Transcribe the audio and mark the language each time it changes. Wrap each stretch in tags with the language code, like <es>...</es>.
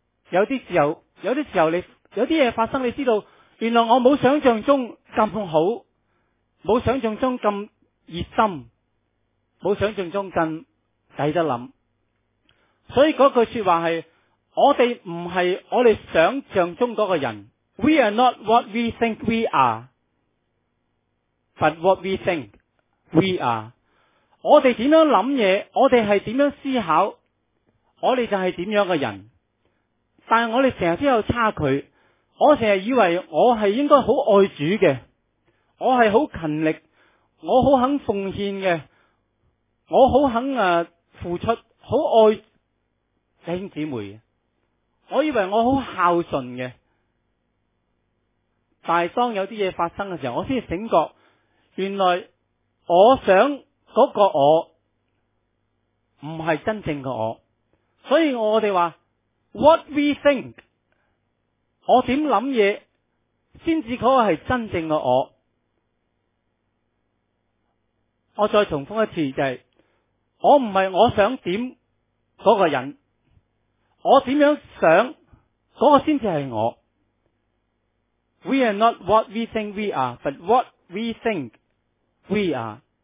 <yue>有啲時候你有啲嘢發生，你知道原來我冇想象中咁好，冇想象中咁熱心，冇想象中咁抵得諗。所以嗰句說話係我哋唔係我哋想象中嗰個人。</yue> <en>We are not what we think we are, but what we think we are。</en> <yue>我哋點樣諗嘢，我哋係點樣思考，我哋就系点样嘅人，但系我哋成日都有差距。我成日以为我系应该好爱主嘅，我系好勤力，我好肯奉献嘅，我好肯付出，好爱弟兄姊妹。我以为我好孝顺嘅，但系当有啲嘢发生嘅时候，我先醒觉，原来我想嗰个我唔系真正嘅我。所以我哋话 ,</yue> <en>what we think,</en> <yue>我点諗嘢先至可以系真正嘅我。我再重复一次，就系、是、我唔系我想点嗰个人，我点样想嗰、那个先至系我。</yue> <en>We are not what we think we are, but what we think we are。</en>